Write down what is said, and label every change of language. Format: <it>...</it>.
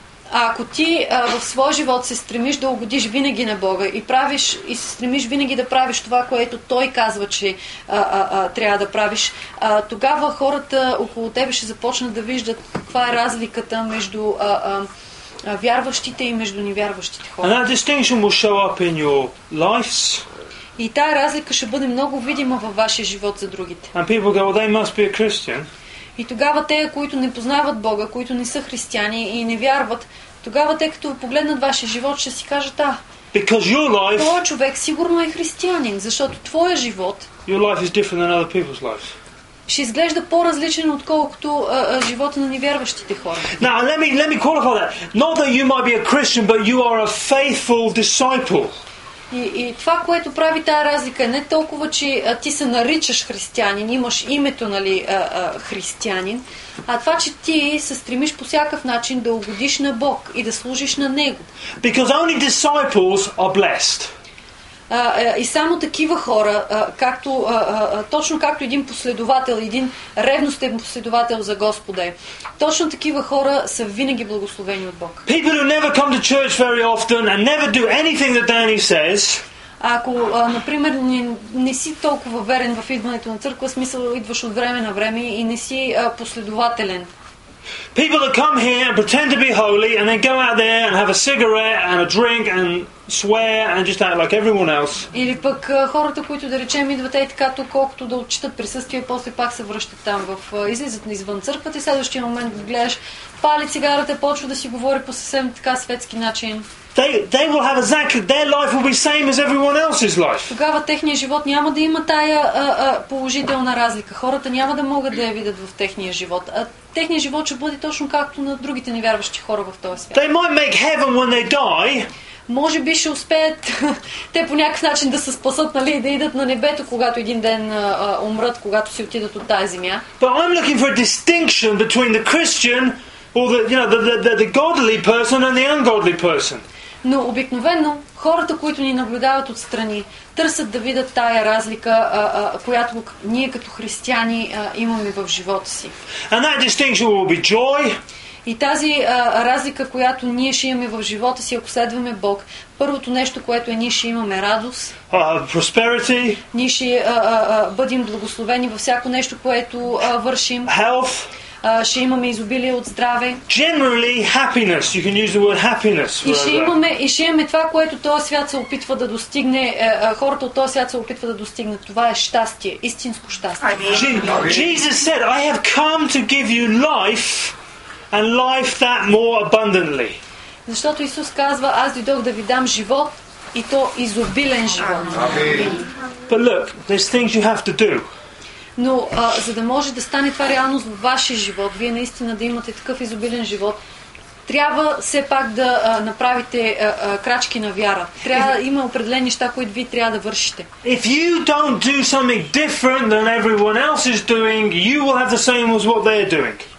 <bg>Ако ти в своя живот се стремиш да угодиш винаги на Бога и правиш и се стремиш винаги да правиш това, което Той казва, че трябва да правиш, тогава хората около тебе ще започнат да виждат каква е разликата между вярващите и между невярващите хора.</bg> <en>And that distinction will show up in your lives.</en> <bg>И тая разлика ще бъде много видима във вашия живот за другите.</bg> <en>And people go, well, they must be a Christian.</en> <bg>И тогава те, които не познават Бога, които не са християни и не вярват, тогава те, като погледнат вашия живот, ще си кажат,</bg> <en>Because your life,</en> <bg>твой човек сигурно е християнин, защото твоя живот</bg> <en>your life is different than other people's lives.</en> <bg>Ще изглежда по-различен отколкото живота на невярващите хора.</bg> <en>Now, let me qualify that. Not that you might be a Christian, but you are a faithful disciple.</en> <bg>И това, което прави тая разлика, не толкова, че ти се наричаш християнин, имаш името, нали, християнин, а това, че ти се стремиш по всякакъв начин да угодиш на Бог и да служиш на Него.</bg> <en>Because only disciples are blessed.</en> <bg>И само такива хора, както, точно както един последовател, един ревностен последовател за Господа е, точно такива хора са винаги благословени от Бог.</bg> <en>People who never come to church very often and never do anything that Danny says.</en> <bg>Ако, например, не си толкова верен в идването на църква, смисъл идваш от време на време и не си последователен.</bg> <en>People that come here and pretend to be holy and then go out there and have a cigarette and a drink and swear and just act like everyone else.</en> <bg>Или пък хората, които да речем идват така тук, колкото да отчитат присъствие, после пак се връщат там в излизат извън църквата и следващия момент го гледаш, пали цигарата, почва да си говори по съвсем така светски начин.</bg> <en>They will have exactly their life will be same as everyone else's life.</en> <bg>Тогава техния живот няма да има тая положителна разлика. Хората няма да могат да я видят в техния живот. А техния живот ще бъде точно както на другите невярващи хора в този свят.</bg> <en>They might make heaven when they die.</en> <bg>Може би ще успеят те по някакъв начин да се спасат, нали, да идат на небето, когато един ден умрат, когато си отидат от тази земя.</bg> <en>But I'm looking for a distinction between the Christian Well, the godly person and the ungodly person.</en> <bg>Но обикновено хората, които ни наблюдават отстрани, търсят да видят тая разлика, която ние като християни имаме в живота си.</bg> <en>And that distinction will be joy.</en> <bg>И тази разлика, която ние ще имаме в живота си, ако следваме Бог, първото нещо, което е, ние ще имаме радост.</bg> <en>Prosperity.</en> <bg>Ние ще бъдем благословени във всяко нещо, което вършим.</bg> <en>Health.</en> <bg>Ще имаме изобилие от здраве.</bg> <en>Generally happiness. You can use the word happiness.</en> <bg>И ще имаме, това, което този свят се опитва да достигне, хората от този свят се опитва да достигнат. Това е щастие, истинско щастие.</bg> <en>Jesus said, I have come to give you life and life that more abundantly.</en> <bg>Защото Исус казва, аз дойдох да ви дам живот и то изобилен живот.</bg> <en>But look, there's things you have to do.</en> <bg>Но за да може да стане това реалност в вашия живот, вие наистина да имате такъв изобилен живот, трябва все пак да направите крачки на вяра. Трябва има определени неща, които вие трябва да вършите.</bg> <en>If you don't do something different than everyone else is doing, you will have the same as what they're doing.</en>